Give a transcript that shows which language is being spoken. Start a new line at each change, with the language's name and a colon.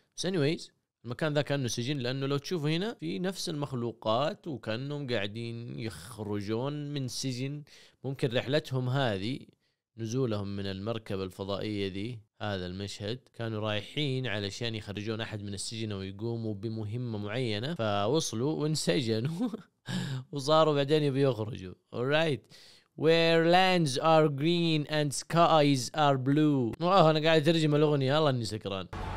Arabic: بس
English: anyways
Arabic: المكان ذا كأنه سجن، لأنه لو تشوفه هنا في نفس المخلوقات وكأنهم قاعدين يخرجون من سجن. ممكن رحلتهم هذه، نزولهم من المركبة الفضائية ذي، هذا المشهد كانوا رايحين علشان يخرجون أحد من السجن ويقوموا بمهمة معينة، فوصلوا وانسجنوا وصاروا بعدين يبي يخرجوا.
English: alright where lands are green and skies are blue.
Arabic: واه أنا قاعد أترجم الأغنية، الله إني سكران.